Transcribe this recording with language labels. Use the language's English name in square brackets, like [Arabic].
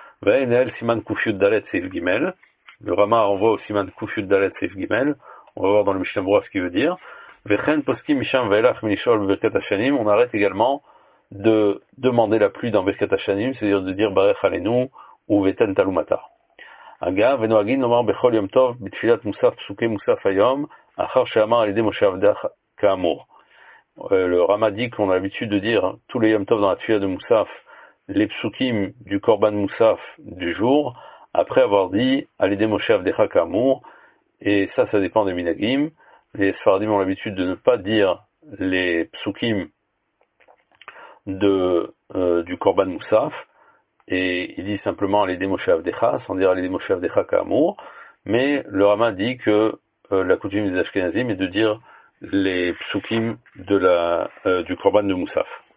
[Hebrew] Ve'enel Siman Kufiut Dalet Seif Gimel. [French] Le Rama renvoie au Siman Kufiut Dalet Seif Gimel. On va voir dans le Mishnah Berurah ce qu'il veut dire. [Hebrew] Ve'chen Poski Misham Ve'elach Mishol Berkat Hashanim. [French] On arrête également de demander la pluie dans Berkat Hashanim, c'est-à-dire de dire Barech Aleinu ou Veten Talumata. [Hebrew] אגב, ונוהגים לומר בכל יום טוב, בתפילת מוסף, פסוקי מוסף היום, אחר שאמר על ידי משה עבדך כאמור. [French] Le Rama dit qu'on a l'habitude de dire tous les Yom Tov dans la Tfila de Moussaf, les psukim du Korban Moussaf du jour, après avoir dit « [Hebrew] Al yedei Moshe avdecha ka'amour [French] », et ça dépend des Minagim. Les Sfaradim ont l'habitude de ne pas dire les psukim du Korban Moussaf, et il dit simplement [Hebrew] Al yedei Moshe Avdecha, [French] sans dire [Hebrew] Al yedei Moshe Avdecha Ka'amour, [French] mais le Rama dit que la coutume des Ashkenazim est de dire les psukim du Korban de Moussaf.